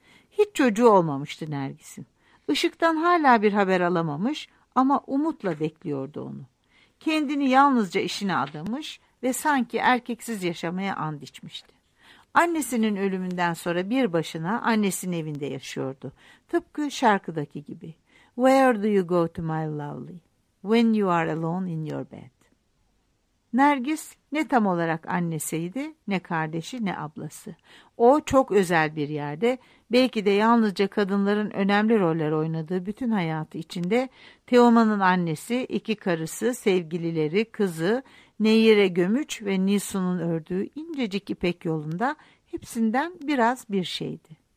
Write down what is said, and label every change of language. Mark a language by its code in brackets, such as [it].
[tr] Hiç çocuğu olmamıştı Nergis'in. Işık'tan hala bir haber alamamış ama umutla bekliyordu onu. Kendini yalnızca işine adamış ve sanki erkeksiz yaşamaya ant içmişti. Annesinin ölümünden sonra bir başına annesinin evinde yaşıyordu. Tıpkı şarkıdaki gibi. [en] Where do you go to my lovely? When you are alone in your bed. [tr] Nergis ne tam olarak annesiydi, ne kardeşi, ne ablası. O çok özel bir yerde, belki de yalnızca kadınların önemli roller oynadığı bütün hayatı içinde Teoman'ın annesi, iki karısı, sevgilileri, kızı, Neyire Gömüç ve Nisu'nun ördüğü incecik ipek yolunda hepsinden biraz bir şeydi.